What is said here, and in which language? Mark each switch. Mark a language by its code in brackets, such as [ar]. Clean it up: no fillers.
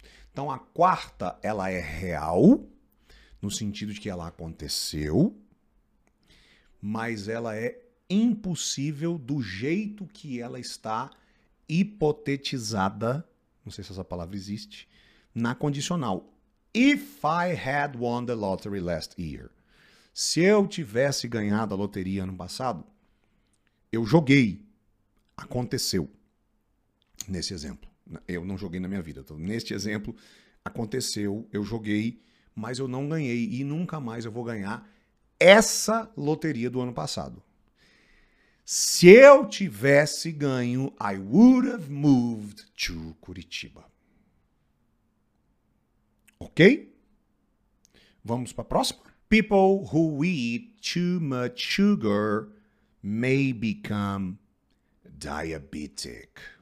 [pt] Então, a quarta, ela é real, no sentido de que ela aconteceu, mas ela é impossível do jeito que ela está hipotetizada, não sei se essa palavra existe, na condicional. [en] If I had won the lottery last year. [pt] Se eu tivesse ganhado a loteria ano passado, eu joguei, aconteceu, nesse exemplo. Eu não joguei na minha vida. Então, neste exemplo, aconteceu, eu joguei, mas eu não ganhei e nunca mais eu vou ganhar essa loteria do ano passado. Se eu tivesse ganho, [en] I would have moved to Curitiba. Ok? [pt] Vamos para a próxima. [en] People who eat too much sugar may become diabetic.